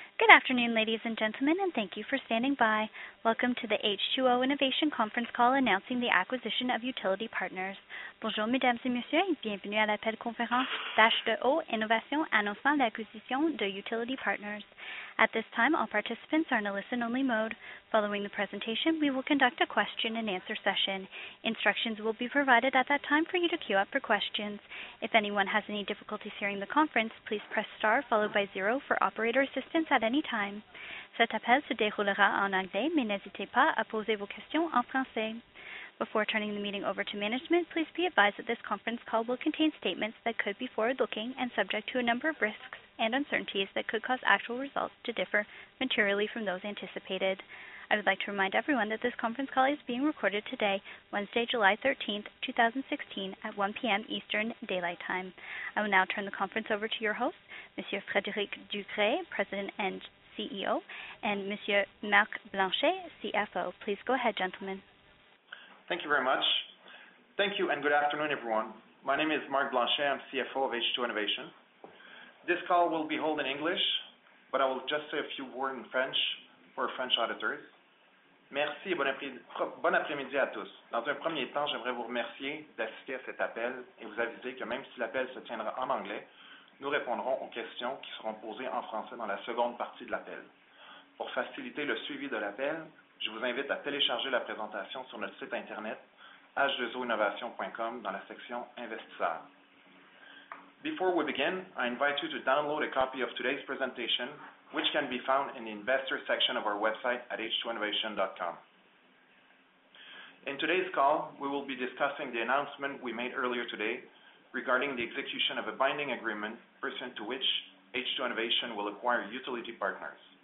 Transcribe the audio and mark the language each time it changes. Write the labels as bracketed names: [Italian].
[English] Good afternoon, ladies and gentlemen, and thank you for standing by. Welcome to the H2O Innovation Conference Call announcing the acquisition of Utility Partners. [French] Bonjour, mesdames et messieurs, et bienvenue à l'appel conférence d'H2O Innovation annonçant l'acquisition de Utility Partners. [English] At this time, all participants are in a listen-only mode. Following the presentation, we will conduct a question-and-answer session. Instructions will be provided at that time for you to queue up for questions. If anyone has any difficulties hearing the conference, please press star followed by zero for operator assistance at any time. [French] Cet appel se déroulera en anglais, mais n'hésitez pas à poser vos questions en français. [English] Before turning the meeting over to management, please be advised that this conference call will contain statements that could be forward-looking and subject to a number of risks and uncertainties that could cause actual results to differ materially from those anticipated. I would like to remind everyone that this conference call is being recorded today, Wednesday, July 13th, 2016, at 1 p.m. Eastern Daylight Time. I will now turn the conference over to your host, Monsieur Frédéric Ducret, President and CEO, and Monsieur Marc Blanchet, CFO. Please go ahead, gentlemen. Thank you very much. Thank you and good afternoon, everyone. My name is Marc Blanchet. I'm CFO of H2O Innovation. This call will be held in English, but I will just say a few words in French for French auditors. [French] Merci et bon après-midi à tous. Dans un premier temps, j'aimerais vous remercier d'assister à cet appel et vous aviser que même si l'appel se tiendra en anglais, nous répondrons aux questions qui seront posées en français dans la seconde partie de l'appel. Pour faciliter le suivi de l'appel, je vous invite à télécharger la présentation sur notre site Internet h2oinnovation.com dans la section Investisseurs. [English] Before we begin, I invite you to download a copy of today's presentation, which can be found in the investor section of our website at h2innovation.com. In today's call, we will be discussing the announcement we made earlier today regarding the execution of a binding agreement pursuant to which H2O Innovation will acquire Utility Partners.